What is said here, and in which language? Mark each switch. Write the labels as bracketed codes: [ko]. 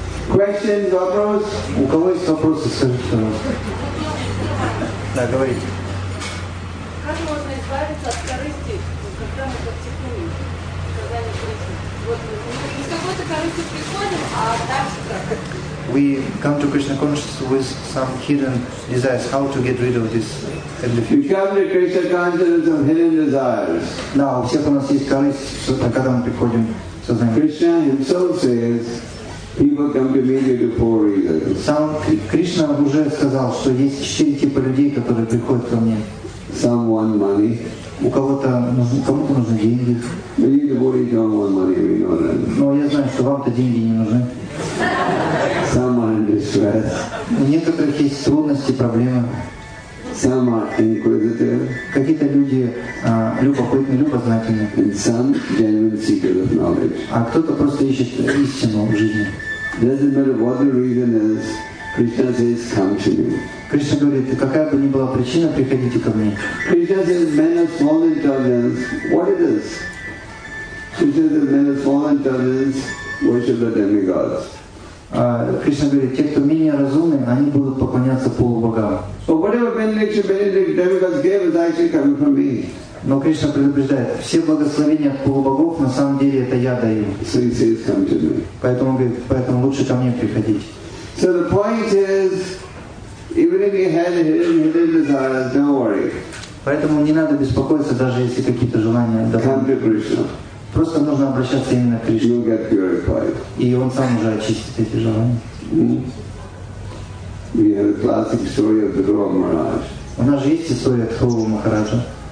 [en] Question, вопрос? [ru] У кого есть вопросы, скажите, пожалуйста. Да, говорите. Как можно избавиться от корысти, когда мы практикуем? Когда мы практикуем? Вот мы не с какой-то корысти приходим, а дальше как? [en] We come to Krishna consciousness with some hidden desires. How to get rid of this? You come to Krishna consciousness with hidden desires. [ru] Да, у всех у нас есть корысть, когда мы приходим. [en] Krishna himself says, people come to me due to four reasons. [ru] Сам Кришна уже сказал, что есть четыре типа людей, которые приходят ко мне. [en] Some want money. [ru] У кого-то кому-то нужны деньги. [en] Many devotees don't want money, we know that. [ru] Но я знаю, что вам-то деньги не нужны. [en] Some are in distress. [ru] У некоторых есть трудности, проблемы. [en] Some are inquisitive. [ru] Какие-то люди любопытные, любознательные. [en] And some genuine seekers of knowledge. [ru] А кто-то просто ищет истину в жизни. [en] Doesn't matter what the reason is, Krishna says, come to me. [ru] Кришна говорит, какая бы ни была причина, приходите ко мне. [en] Krishna says, men of small intelligence, what it is? Krishna says, men of small intelligence, worship the demigods. [ru] Кришна говорит, те, кто менее разумны, они будут поклоняться полубогам. [en] So whatever benediction Benedict demigods gave is actually coming from me. [ru] Но Кришна предупреждает, все благословения от полубогов на самом деле это я даю. [en] So he says, come to me. [ru] Поэтому он говорит, поэтому лучше ко мне приходить. [en] So the point is, even if you had hidden desires, don't worry. [ru] Поэтому не надо беспокоиться, даже если какие-то желания дополнительные. Просто нужно обращаться именно к Кришне. И он сам уже очистит эти желания. Mm-hmm. У нас же есть история Дхрува Махараджа.